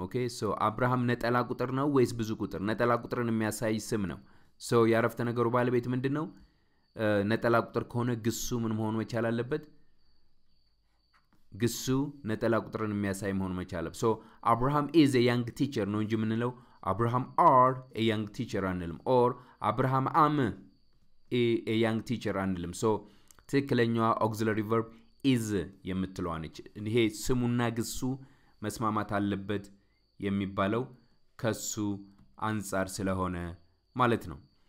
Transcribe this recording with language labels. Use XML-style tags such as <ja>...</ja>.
<am>Okay, so አብርሃም ነጠላ ቁጥር ነው ወይስ ብዙ ቁጥር? ነጠላ ቁጥርን የሚያሳይ ስም ነው. So, የአረፍተ ነገሩ ባለቤት ምንድን ነው? ነጠላ ቁጥር ከሆነ ግሱ ምን መሆን መቻል አለበት? ግሱ ነጠላ ቁጥርን የሚያሳይ መሆን መቻል አለበት. So,</am> <en>Abraham is a young teacher</en> <am>ነው እንጂ ምን ነው?</am> <en>Abraham are a young teacher</en> <am>አንልም.</am> <en>Or, Abraham am a young teacher</en> <am>አንልም. So, ትክክለኛዋ auxiliary verb is የምትለዋ ነች. ይሄ ስሙና ግሱ መስማማት አለበት የሚባለው ከሱ አንጻር ስለሆነ ማለት ነው.</am>